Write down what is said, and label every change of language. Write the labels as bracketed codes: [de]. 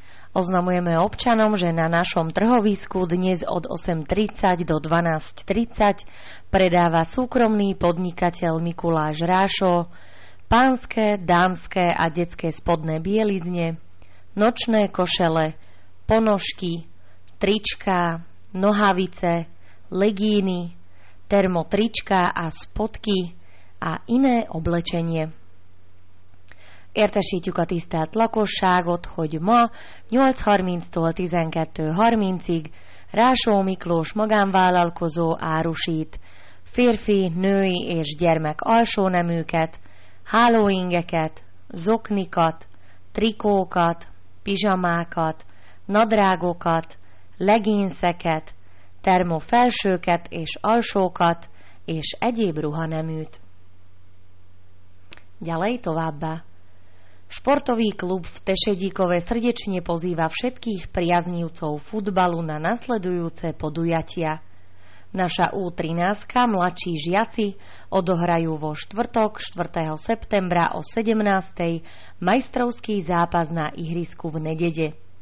[sk] Oznamujeme občanom, že na našom trhovisku dnes od 8.30 do 12.30 predáva súkromný podnikateľ Mikuláš Rášo pánske, dámske a detské spodné bielizne, nočné košele, ponožky, trička, nohavice, legíny, termotrička a spodky a iné oblečenie. [hu] Értesítjük a tisztelt lakosságot, hogy ma 8.30-tól 12.30-ig Rásó Miklós magánvállalkozó árusít férfi, női és gyermek alsóneműket, hálóingeket, zoknikat, trikókat, pizsamákat, nadrágokat, leginszeket, termofelsőket és alsókat és egyéb ruhaneműt. Gyalej továbbá! [sk] Športový klub v Tešedíkove srdečne pozýva všetkých priaznivcov futbalu na nasledujúce podujatia. Naša U13-ka mladší žiaci odohrajú vo štvrtok 4. septembra o 17. majstrovský zápas na ihrisku v Nedede.